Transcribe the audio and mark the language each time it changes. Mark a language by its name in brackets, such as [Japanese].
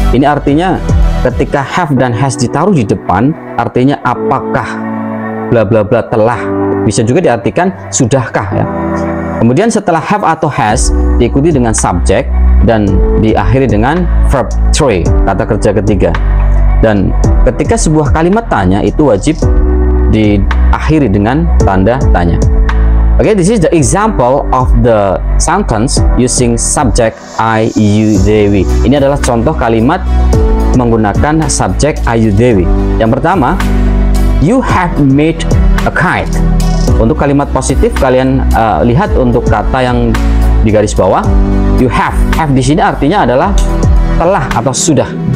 [Indonesian] Ini artinya ketika have dan has ditaruh di depan, artinya apakah bla bla bla telah, bisa juga diartikan sudahkah ya. Kemudian setelah have atau has diikuti dengan subjek dan diakhiri dengan verb 3, kata kerja ketiga. Dan ketika sebuah kalimat tanya itu wajib diakhiri dengan tanda tanya. [English] Okay, this is the example of the sentence using subject I, you, they, we. [Indonesian] Ini adalah contoh kalimat menggunakan subject I, you, they, we. Yang pertama, [English] you have made a kite. [Indonesian] Untuk kalimat positif kalian lihat untuk kata yang di garis bawah, [English] you have [Indonesian] di sini artinya adalah telah atau sudah.